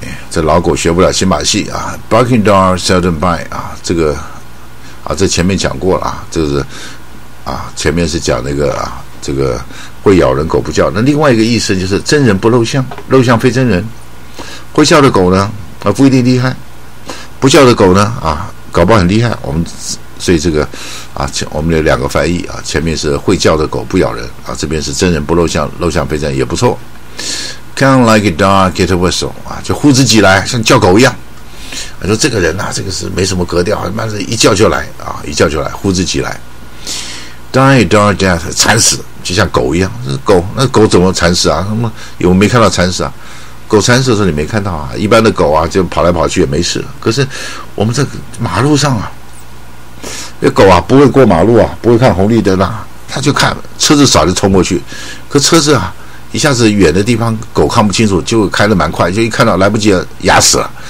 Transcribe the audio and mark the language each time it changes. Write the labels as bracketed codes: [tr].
[zh] 这老狗学不了新把戏啊 ， [en] barking dog seldom bite [zh] 啊，这个啊，这前面讲过了啊，就是啊，前面是讲那个啊，这个会咬人狗不叫，那另外一个意思就是真人不露相，露相非真人，会叫的狗呢啊不一定厉害，不叫的狗呢啊搞不好很厉害，我们所以这个啊，我们有两个翻译啊，前面是会叫的狗不咬人啊，这边是真人不露相，露相非真人也不错。 [en] Come like a dog, get a whistle [zh] 啊，就呼自己来，像叫狗一样。我说这个人呐、啊，这个是没什么格调，妈的一叫就来啊，一叫就来，呼自己来。 [en] Die a dog death [zh] 惨死，就像狗一样。狗那狗怎么惨死啊？什么有没看到惨死啊？狗惨死的时候你没看到啊？一般的狗啊，就跑来跑去也没事。可是我们这马路上啊，那狗啊不会过马路啊，不会看红绿灯啊，它就看车子少就冲过去。可车子啊。一下子远的地方狗看不清楚，就开得蛮快，就一看到来不及了，压死了。